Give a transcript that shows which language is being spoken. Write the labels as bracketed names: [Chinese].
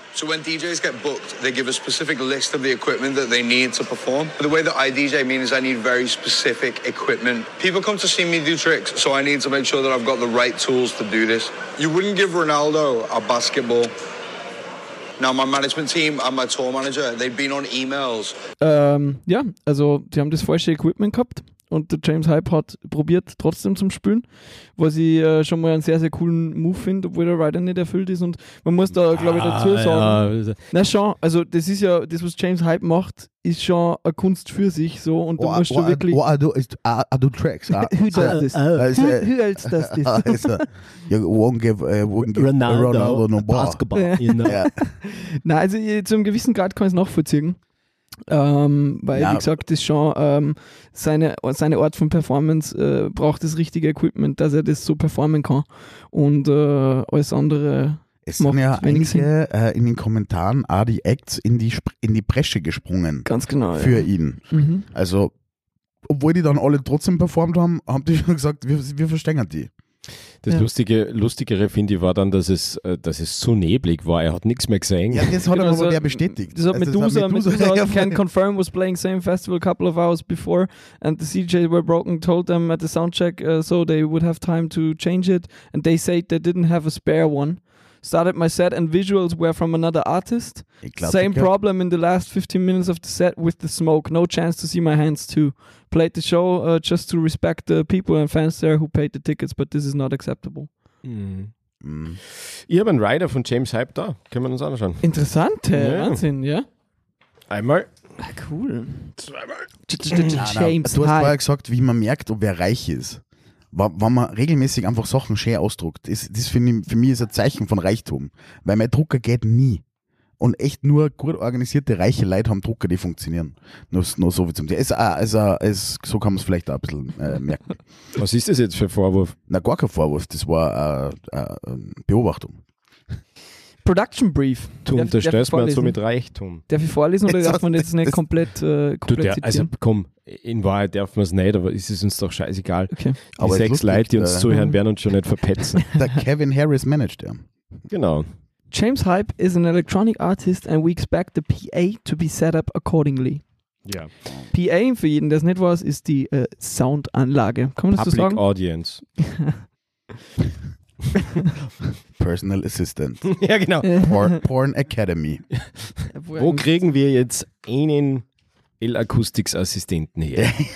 [English] So when DJs get booked, they give a specific list of the equipment that they need to perform. The way that I DJ mean is I need very specific equipment. People come to see me do tricks, so I need to make sure that I've got the right tools to do this. You wouldn't give Ronaldo a basketball. Now my management team and my tour manager, they've been on emails. [German] Ja, also sie haben das falsche Equipment gehabt und der James Hype hat probiert trotzdem zum Spielen, was ich schon mal einen sehr, sehr coolen Move finde, obwohl der Rider nicht erfüllt ist und man muss da, glaube ich, dazu sagen. Ja. Na schon, also das ist ja, das was James Hype macht, ist schon eine Kunst für sich so und da musst du wirklich... Du tracks. [English] Who else does this? Ronaldo no Basketball. Yeah. You know. [German] Nein, also zu einem gewissen Grad kann ich es nachvollziehen. Weil, ja, wie gesagt, das schon seine Art von Performance braucht das richtige Equipment, dass er das so performen kann. Und alles andere. Es sind ja einige in den Kommentaren auch die Acts in die Bresche gesprungen. Ganz genau. Für ihn. Mhm. Also, obwohl die dann alle trotzdem performt haben, haben die schon gesagt, wir verstängern die. Das Lustigere finde ich war dann, dass es zu neblig war. Er hat nichts mehr gesehen. Ja, das hat aber der bestätigt. Das hat Medusa gesagt, [English] can confirm, was playing same festival a couple of hours before and the CJs were broken, told them at the soundcheck so they would have time to change it and they said they didn't have a spare one. Started my set and visuals were from another artist. Same problem in the last 15 minutes of the set with the smoke. No chance to see my hands too. Played the show just to respect the people and fans there who paid the tickets, but this is not acceptable. [German] Ich habe einen Rider von James Hype da. Können wir uns anschauen. Interessant. Wahnsinn, ja. Einmal. Cool. Zweimal. James Hype. Du hast vorher gesagt, wie man merkt, ob wer reich ist. Wenn man regelmäßig einfach Sachen schön ausdruckt, das für mich ist ein Zeichen von Reichtum. Weil mein Drucker geht nie. Und echt nur gut organisierte, reiche Leute haben Drucker, die funktionieren. Nur so wie zum Thema. So kann man es vielleicht auch ein bisschen merken. Was ist das jetzt für ein Vorwurf? Na, gar kein Vorwurf. Das war eine Beobachtung. [English] Production Brief. [German] Du unterstellst mir so mit Reichtum. Darf ich vorlesen oder darf man jetzt nicht komplett zitieren? Also komm, in Wahrheit darf man es nicht, aber ist es uns doch scheißegal. Okay. Aber die sechs Leute, die uns zuhören, werden uns schon nicht verpetzen. Der Kevin Harris managt er. Genau. [English] James Hype is an electronic artist and we expect the PA to be set up accordingly. [German] Ja. PA, für jeden, der es nicht weiß, ist die Soundanlage. Kann man das so sagen? [English] Public Audience. Personal Assistant. [German] Ja, genau. [English] Porn Academy. [German] Wo kriegen wir jetzt einen L-Acoustics-Assistenten her?